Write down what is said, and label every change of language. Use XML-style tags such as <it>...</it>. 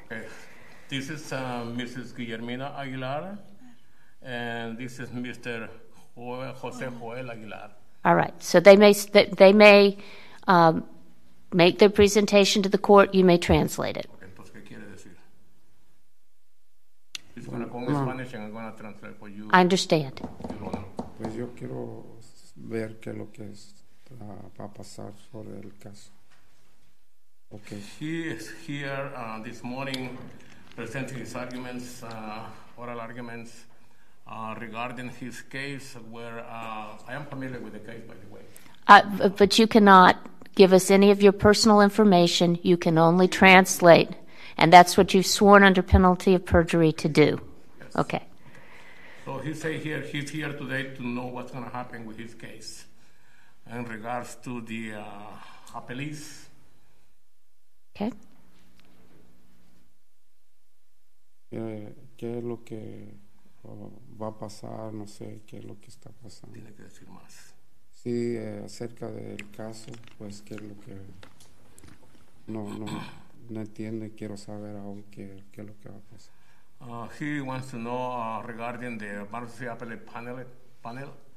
<en>Okay. This is Mrs. Guillermina Aguilar, and this is Mr. Jose Joel Aguilar. All right. So they may make their presentation to the court. You may translate it.</en> <es>Entonces, ¿qué quiere decir?</es> <en>He's going to go in Spanish, and I'm going to translate for you. I understand.</en> <es>Pues yo quiero ver qué lo que va a pasar sobre el caso.</es> <en>Okay. He is here this morning presenting his arguments, oral arguments, regarding his case where I am familiar with the case, by the way. But you cannot give us any of your personal information. You can only translate, and that's what you've sworn under penalty of perjury to do. Yes. Okay. So he say here he's here today to know what's going to happen with his case in regards to the appellees. Okay.</en> <es>¿Qué es lo que va a pasar, no sé qué es lo que está pasando. Tiene que decir más. Sí, acerca del caso, pues qué es lo que no entiende, quiero saber aún qué es lo que va a pasar.</es> <en>He wants to know regarding the Bankruptcy Appellate Panel.</en>